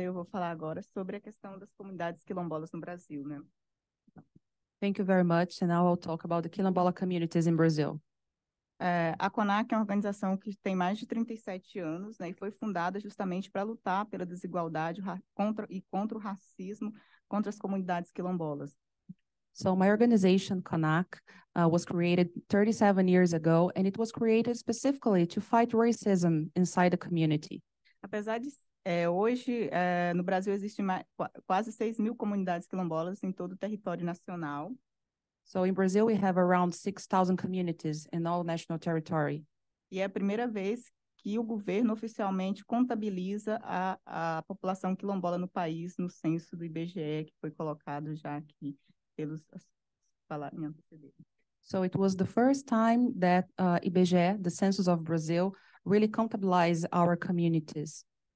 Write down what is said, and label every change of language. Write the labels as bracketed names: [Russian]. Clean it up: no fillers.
[Portuguese] Eu vou falar agora sobre a questão das comunidades quilombolas no Brasil, né? [English] Thank you very much, and now I'll talk about the quilombola communities in Brazil. [Portuguese] A CONAC é uma organização que tem mais de 37 anos, né, e foi fundada justamente para lutar pela desigualdade contra o racismo contra as comunidades quilombolas. [English] So my organization, CONAC, was created 37 years ago, and it was created specifically to fight racism inside the community. [Portuguese] Apesar de hoje, no Brasil, existem quase 6 mil comunidades quilombolas em todo o território nacional. [English] So in Brazil, we have around 6,000 communities in all national territory. [Portuguese] E é a primeira vez que o governo oficialmente contabiliza a população quilombola no país no censo do IBGE, que foi colocado já aqui pelos falamentos. [English] So it was the first time that IBGE, the census of Brazil, really contabilize our communities.